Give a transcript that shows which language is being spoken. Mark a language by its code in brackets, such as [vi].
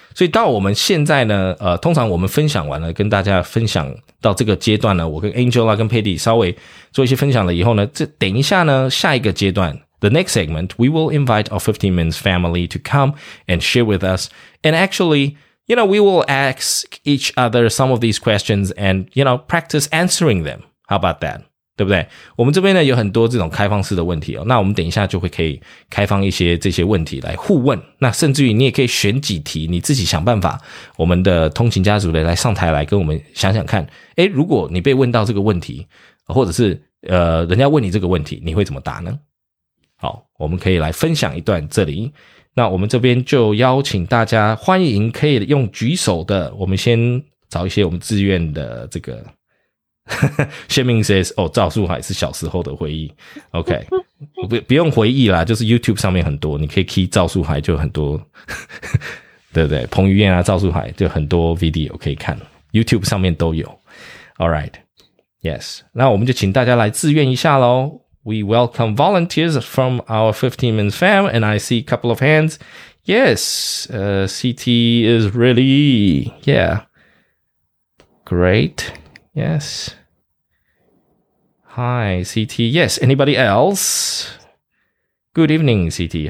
[zh] 所以到我们现在呢，通常我们分享完了，跟大家分享到这个阶段呢，我跟 Angela 跟 Patty 稍微做一些分享了以后呢，这等一下呢，下一个阶段 ， [en] the next segment, we will invite our 15 minutes family to come and share with us. And actually, you know, we will ask each other some of these questions and you know practice answering them. How about that? [zh] 对不对？我们这边呢有很多这种开放式的问题哦，那我们等一下就会可以开放一些这些问题来互问，那甚至于你也可以选几题你自己想办法，我们的通勤家族的来上台来跟我们想想看，诶，如果你被问到这个问题，或者是人家问你这个问题，你会怎么答呢？好，我们可以来分享一段这里，那我们这边就邀请大家，欢迎可以用举手的，我们先找一些我们自愿的这个Shaming says, oh, 赵树海是小时候的回忆。 OK. 不用回忆啦，就是 YouTube 上面很多，你可以 key 赵树海就很多。对不对，彭于晏啊，赵树海就很多 video 可以看。YouTube 上面都有。 [en] Alright. Yes. [zh] 那我们就请大家来自愿一下咯。 [en] We welcome volunteers from our 15 minutes fam, and I see a couple of hands. Yes. CT is ready. Yeah. Great. Yes. Hi, CT. Yes, anybody else? Good evening, CT.